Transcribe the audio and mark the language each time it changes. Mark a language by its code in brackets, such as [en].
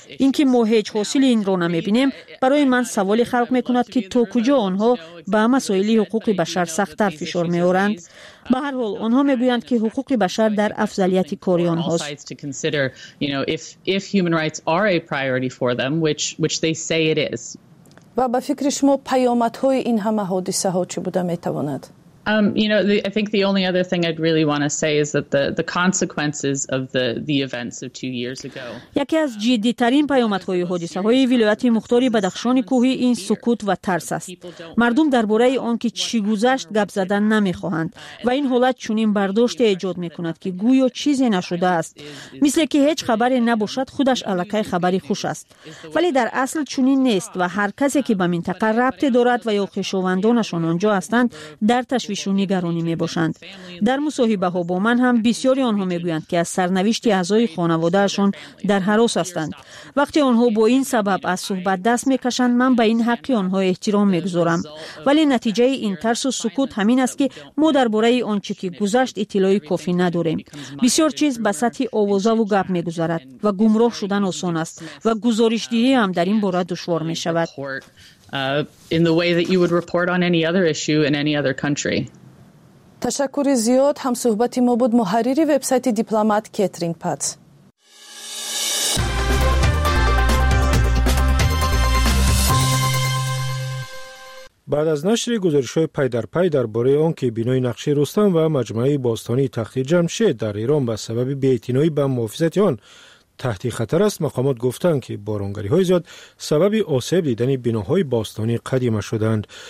[fa] اینکه ما هیچ حاصل این را نمی بینیم برای من سوال خلق می کند که تو کجا آنها به مسائل حقوق بشر سخت‌تر فشار می آورند. به هر حال آنها می گویند که حقوق بشر در افضلیت کاری آنهاست. و به فکر شما پیامت های این همه حادثه ها چی بوده می تواند؟ [en] I think the only other thing I'd really want to say is that the consequences of the events of 2 years ago. [fa] یکی از جدی‌ترین پیامدهای حادثه‌های ولایت مختاری بدخشان کوهی این سکوت و ترس است. مردم درباره آن که چی گذشت گپ زدن نمی‌خواهند و این حالت چنین برداشت ایجاد می‌کند که گویا چیزی نشده است. مثل که هیچ خبری نباشد خودش الکی خبری خوش است. ولی در اصل چنین نیست و هر کسی که به منطقه ربط دارد و یا خویشاوندانشان آنجا هستند در تشویش و نگرانی می باشند. در مصاحبه ها با من هم بسیاری آنها می گویند که از سرنوشت اعضای خانواده شان در هراس هستند. وقتی آنها با این سبب از صحبت دست می کشند من به این حق آنها احترام می گذارم. ولی نتیجه این ترس و سکوت همین است که ما درباره آنچه که گذشت اطلاع کافی نداریم. بسیار چیز به سطح آوازه و گپ می گذارد و گمراه شدن آسان است و گزارش دهی هم در این باره دشوار می شود. [en] In the way that you would report on any other issue in any other country. [fa] تشکر زیاد هم صحبت ما بود محرر وبسایت دیپلمات کترین پات. بعد از نشر گزارش‌های پی در پی درباره آن که بنای نقشه رستم و مجمعه باستانی تخت جمشید در ایران به سبب بی‌اعتنایی به محافظت آن تحت خطر است، مقامات گفتند که بارانگری های زیاد سبب آسیب دیدن بناهای باستانی قدیمه شدند.